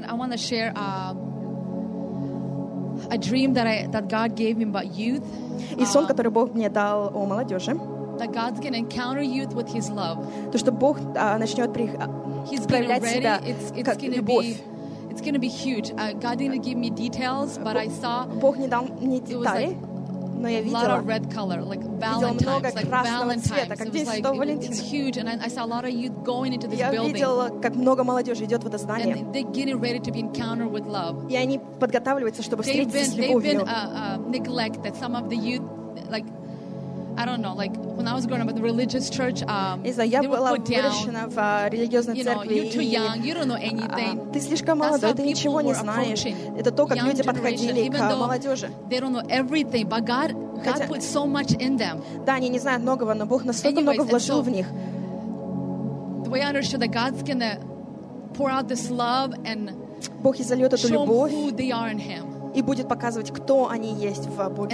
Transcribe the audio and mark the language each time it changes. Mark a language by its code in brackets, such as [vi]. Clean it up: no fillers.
[en] To share a dream that God gave me about youth. [ru] И сон, который Бог мне дал о молодежи. [en] That God's gonna encounter youth with His love. [ru] То, что Бог начнет проявлять себя как любовь. [en] It's gonna be huge. God didn't give me details, but I saw. [ru] Бог не дал мне деталей, но я видела. [en] A lot of red color, like Valentine's, [ru] много красного цвета, как день Святого Валентина. [en] It's huge, and I saw a lot of youth going into this [ru] я [en] building. [ru] Я видела, как много молодежи идет в это здание. [en] And they're getting ready to be encountered with love. [ru] И они подготавливаются, чтобы [en] they've [ru] с любовью. [en] They've been neglected. Some of the youth, like I don't know, like when I was growing up in the religious church, they were put down. [ru] Я была выращена в религиозной церкви. [en] You're too young. You don't know anything. [ru] Ты слишком молодой. Ты ничего не знаешь. Это то, как люди подходили к молодежи. [en] They don't know everything, but God put so much in them. [ru] Да, они не знают многого, но Бог настолько много вложил в них. [en] The way I understood that God's gonna pour out this love and [ru] Бог изольет эту любовь. [en] Show who they are in Him. [ru] И будет показывать, кто они есть в Боге.